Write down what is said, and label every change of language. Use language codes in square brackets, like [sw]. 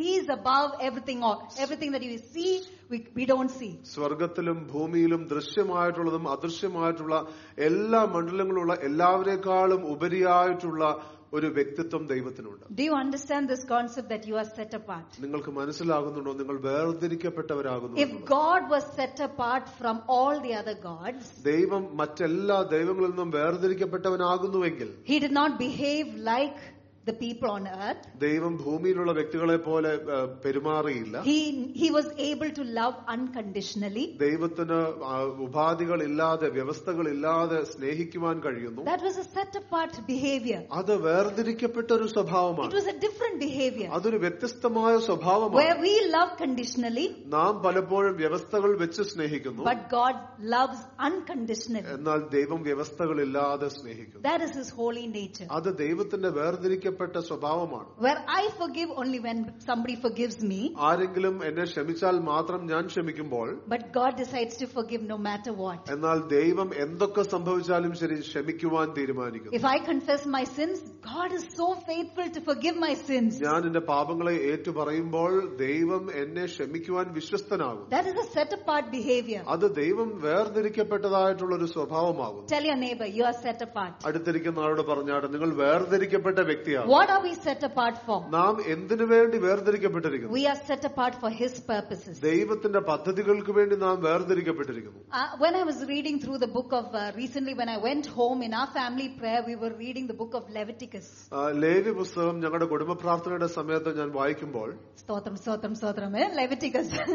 [en] He is above everything, or everything that you see, we don't see. [ml] സ്വർഗ്ഗത്തിലും ഭൂമിയിലും ദൃശ്യമായിട്ടുള്ളതും അദൃശ്യമായിട്ടുള്ള എല്ലാ മണ്ഡലങ്ങളുള്ള എല്ലാവരെക്കാളും ഉപരിയായിട്ടുള്ള ഒരു വ്യക്തിത്വം ദൈവത്തിനുണ്ട്. [en] Do you understand this concept that you are set apart? [ml] നിങ്ങൾക്ക് മനസ്സിലാകുന്നുണ്ടോ നിങ്ങൾ വേർതിരിക്കപ്പെട്ടവരാകുന്നു? [en] If God was set apart from all the other gods, [ml] ദൈവം മറ്റെല്ലാ ദൈവങ്ങളിൽ നിന്നും വേർതിരിക്കപ്പെട്ടവനാകുന്നുവെങ്കിൽ, [en] He did not behave like the people on earth. [ml] ദൈവം ഭൂമിയിലുള്ള വ്യക്തികളെ പോലെ പെരുമാറിയില്ല. [en] He was able to love unconditionally. [ml] ദൈവത്തിന് ഉപാധികളില്ലാതെ വ്യവസ്ഥകളില്ലാതെ സ്നേഹിക്കുവാൻ കഴിയുന്നു. [en] That was a set apart behavior. [ml] അത് വേർതിരിക്കപ്പെട്ട ഒരു സ്വഭാവമാണ്. [en] It was a different behavior. [ml] അതൊരു വ്യത്യസ്തമായ സ്വഭാവമാണ്. [en] Where we love conditionally. [ml] നാം പലപ്പോഴും വ്യവസ്ഥകൾ വെച്ച് സ്നേഹിക്കുന്നു. [en] But God loves unconditionally. [ml] എന്നാൽ ദൈവം വ്യവസ്ഥകളില്ലാതെ സ്നേഹിക്കുന്നു. [en] That is his holy nature. [ml] അത് ദൈവത്തിന്റെ വേർതിരിക്ക സ്വഭാവമാണ്. [en] Where I forgive only when somebody forgives me. [ml] ആരെങ്കിലും എന്നെ ക്ഷമിച്ചാൽ മാത്രം ഞാൻ ക്ഷമിക്കുമ്പോൾ. [en] But God decides to forgive no matter what. [ml] എന്നാൽ ദൈവം എന്തൊക്കെ സംഭവിച്ചാലും ശരി ക്ഷമിക്കുവാൻ തീരുമാനിക്കുന്നു. [en] If I confess my sins, God is so faithful to forgive my sins. [ml] ഞാൻ എന്റെ പാപങ്ങളെ ഏറ്റുപറയുമ്പോൾ ദൈവം എന്നെ ക്ഷമിക്കുവാൻ വിശ്വസ്തനാകും. [en] That is a set apart behavior. [ml] അത് ദൈവം വേർതിരിക്കപ്പെട്ടതായിട്ടുള്ള ഒരു സ്വഭാവമാകും. [en] Tell your neighbor, you are set apart. [ml] അടുത്തിരിക്കുന്ന ആളോട് പറഞ്ഞാട്ടെ, നിങ്ങൾ വേർതിരിക്കപ്പെട്ട വ്യക്തിയാണ്. [en] What are we set apart for? [ml] നാം എന്തിനു വേണ്ടി വേർതിരിക്കപ്പെട്ടിരിക്കുന്നു? [en] We are set apart for his purposes. [ml] ദൈവത്തിന്റെ പദ്ധതികൾക്ക് വേണ്ടി നാം വേർതിരിക്കപ്പെട്ടിരിക്കുന്നു. [en] When I was reading through the book of recently when I went home in our family prayer, we were reading the book of Leviticus. [ml] Levi പുസ്തകം ഞങ്ങളുടെ കുടുംബ പ്രാർത്ഥനയുടെ സമയത്ത് ഞാൻ വായിക്കുമ്പോൾ, സ്തോത്രം സ്തോത്രം സ്തോത്രം, Leviticus.